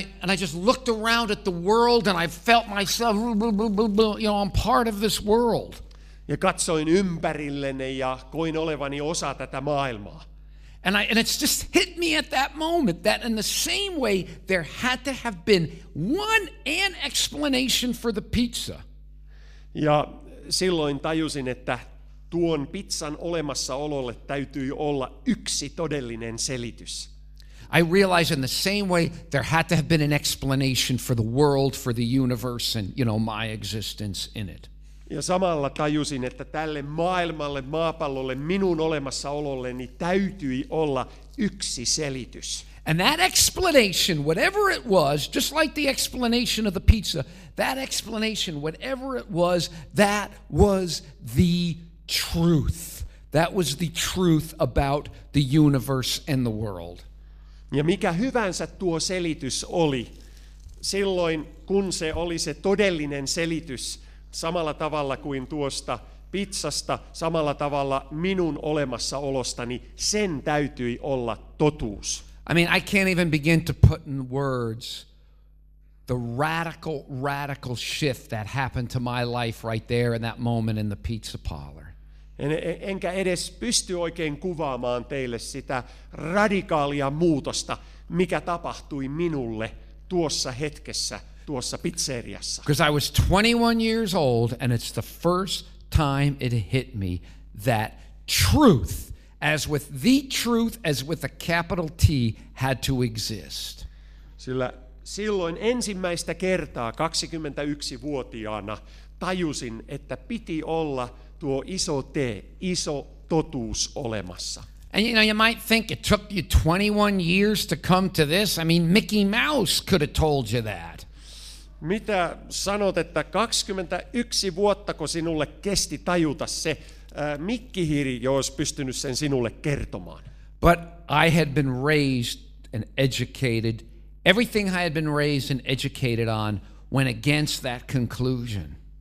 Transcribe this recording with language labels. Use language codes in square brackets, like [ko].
[en] And I just looked around at the world and I felt myself, I'm part of this world. [fi] Ja katsoin ympärilleni ja koin olevani osa tätä maailmaa. [en] And it's just hit me at that moment that in the same way there had to have been one and explanation for the pizza. [fi] Ja silloin tajusin, että tuon pizzan olemassaololle täytyy olla yksi todellinen selitys. [en] I realize in the same way there had to have been an explanation for the world, for the universe and, you know, my existence in it. [fi] Ja samalla tajusin, että tälle maailmalle, maapallolle, minun olemassaololleni täytyi olla yksi selitys. [en] And that explanation, whatever it was, just like the explanation of the pizza, that explanation, whatever it was, that was the truth. That was the truth about the universe and the world. [fi] Ja mikä hyvänsä tuo selitys oli, silloin kun se oli se todellinen selitys, samalla tavalla kuin tuosta pizzasta, samalla tavalla minun olemassaolostani, sen täytyi olla totuus. [en] I mean, I can't even begin to put in words the radical, radical shift that happened to my life right there in that moment in the pizza parlor. [fi] Enkä edes pysty oikein kuvaamaan teille sitä radikaalia muutosta, mikä tapahtui minulle tuossa hetkessä. [en] Because I was 21 years old, and it's the first time it hit me that truth, as with the truth, as with a capital T, had to exist. [fi] Sillä silloin ensimmäistä kertaa 21-vuotiaana tajusin, että piti olla tuo iso T, iso totuus olemassa. [en] And you know, you might think it took you 21 years to come to this. I mean, Mickey Mouse could have told you that. [fi] Mitä sanot, että 21 vuottako sinulle kesti tajuta se Mikki-hiiri, jos pystynyt sen sinulle kertomaan? [en] But I had been raised and educated. Everything I had been raised and educated on went against that conclusion.